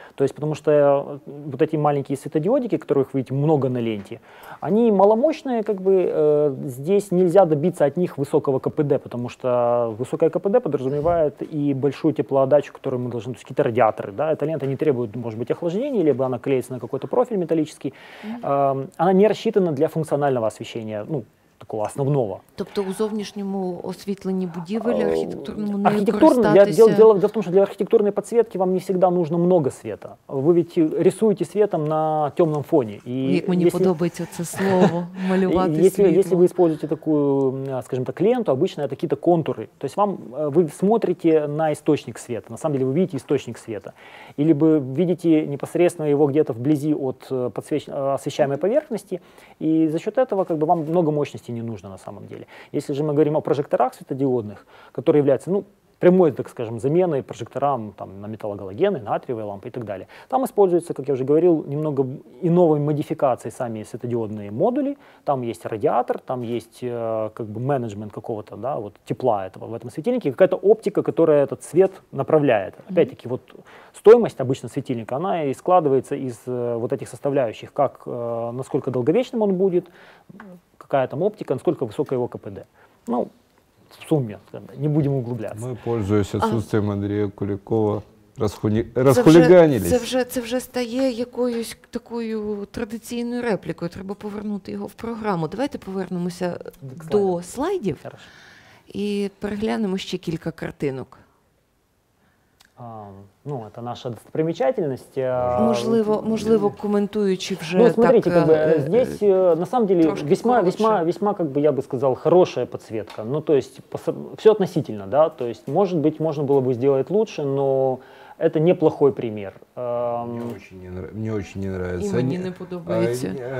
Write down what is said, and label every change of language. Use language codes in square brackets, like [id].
[ru] То есть, потому что вот эти маленькие светодиодики, которых вы видите много на ленте, они маломощные, как бы, здесь нельзя добиться от них высокого КПД, потому что высокое КПД подразумевает и большую теплоотдачу, которую мы должны, то есть какие-то радиаторы, да, эта лента не требует, может быть, охлаждения, либо она клеится на какой-то профиль металлический, она не рассчитана для функционального освещения, ну, такого основного. [uk] Тобто у зовнішньому освітленні будівель архітектурному не використатися? [ru] Дело в том, что для архитектурной подсветки вам не всегда нужно много света. Вы ведь рисуете светом на темном фоне. И [uk] мені подобається це слово, малювати світло. [ru] Если вы используете такую, скажем так, ленту, обычно это какие-то контуры. То есть вы смотрите на источник света. На самом деле вы видите источник света. Или вы видите непосредственно его где-то вблизи от освещаемой поверхности. И за счет этого как бы вам много мощности не нужно на самом деле. Если же мы говорим о прожекторах светодиодных, которые являются, ну, прямой, так скажем, заменой прожекторам там, на металлогалогены, натриевые лампы и так далее, там используются, как я уже говорил, немного иного модификации сами светодиодные модули. Там есть радиатор, там есть как бы менеджмент какого-то, да, вот тепла этого в этом светильнике, какая-то оптика, которая этот свет направляет. Опять-таки, вот стоимость обычно светильника, она и складывается из вот этих составляющих, как насколько долговечным он будет, какая там оптика, насколько высокая его КПД. Ну, в сумме, не будем углубляться. Мы, пользуясь отсутствием Андрея Куликова, расхулиганились. [uk] Це вже стає якоюсь такою традиційною реплікою, треба повернути його в програму. Давайте повернемося до слайдів. І переглянемо ще кілька картинок. [ru] Ну, это наша достопримечательность. [uk] Можливо, комментуючи вже [ru] так. Ну, смотрите, как бы, здесь, на самом деле, весьма, как бы, я бы сказал, хорошая подсветка. Ну, то есть, все относительно, да. То есть, может быть, можно было бы сделать лучше, но это неплохой пример. Мне очень не нравится. [uk] И мне не подобається.